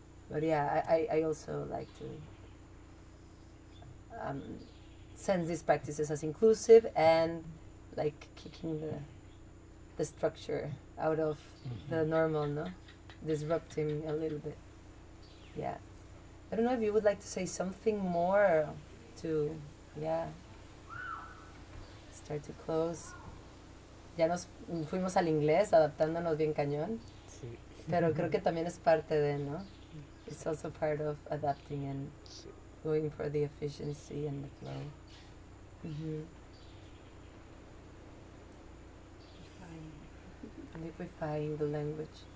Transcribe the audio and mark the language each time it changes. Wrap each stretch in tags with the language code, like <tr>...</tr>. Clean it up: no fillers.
<en>But yeah, I also like to sense these practices as inclusive and like kicking the structure out of the normal, no? Disrupting a little bit. Yeah. I don't know if you would like to say something more to, yeah, start to close.</en> <es>Ya nos fuimos al inglés, adaptándonos bien cañón. Sí. Pero creo que también es parte de, ¿no?</es> <en>It's also part of adapting and going for the efficiency and the flow. Liquefying the language.</en>